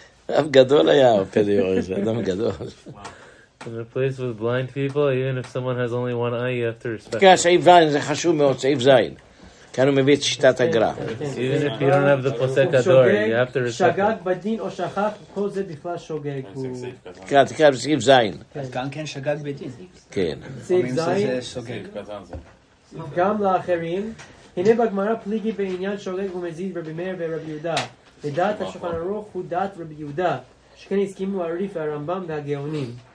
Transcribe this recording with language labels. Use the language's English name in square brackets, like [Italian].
[Hebrew] אף גדול היה, פדיור, זה אדם גדול. [English] In a place with blind people, even if someone has only one eye, you have to respect. [Hebrew] כן, סעיף זין, זה חשוב מאוד, סעיף זין. כאן הוא מביא את שיטת הגרא. [English] Even if you don't have the פוסק הדור, you have to respect. [Hebrew] שגג בדין או שכח, כל זה בכלל שוגג. כן, תקרא בסעיף זין. אז גם כן שגג בדין. כן. סעיף זין. גם לאחרים. הנה בגמרא פליגי בעניין שוגג ומזיד רבי מאיר ורבי יהודה. לדעת השולחן ערוך הוא דעת רבי יהודה, שכן הסכימו הריף והרמב״ם והגאונים.